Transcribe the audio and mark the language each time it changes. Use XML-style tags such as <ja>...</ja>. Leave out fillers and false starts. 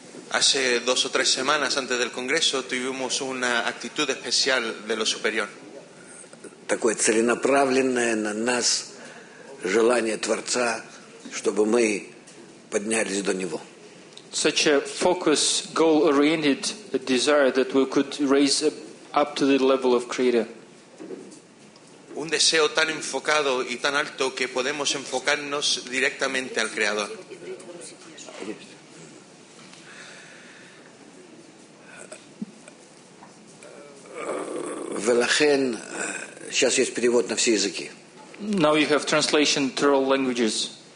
<es>Hace dos o tres semanas antes del congreso tuvimos una actitud especial de lo superior.</es> <ru>Такое целенаправленное на нас желание Творца, чтобы мы поднялись до Него.</ru> <en>Such a focus, goal-oriented desire that we could raise up to the level of Creator.</en> <es>un deseo tan enfocado y tan alto que podemos enfocarnos directamente al Creador.</es> <he>ולכן,</he> <ru>сейчас есть перевод на все языки.</ru> <en>Now you have translation to all languages.</en>